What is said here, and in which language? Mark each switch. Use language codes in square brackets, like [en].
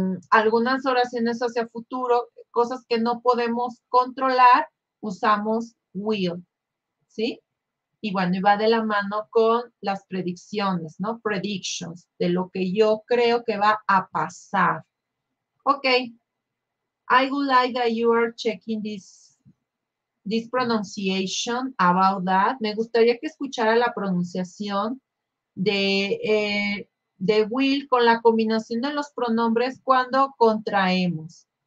[es] algunas oraciones hacia futuro, cosas que no podemos controlar, usamos will, ¿sí? Y bueno, y va de la mano con las predicciones, ¿no? Predictions, de lo que yo creo que va a pasar. Ok. [en] I would like that you are checking this pronunciation about that. [es] Me gustaría que escuchara la pronunciación de will con la combinación de los pronombres cuando contraemos.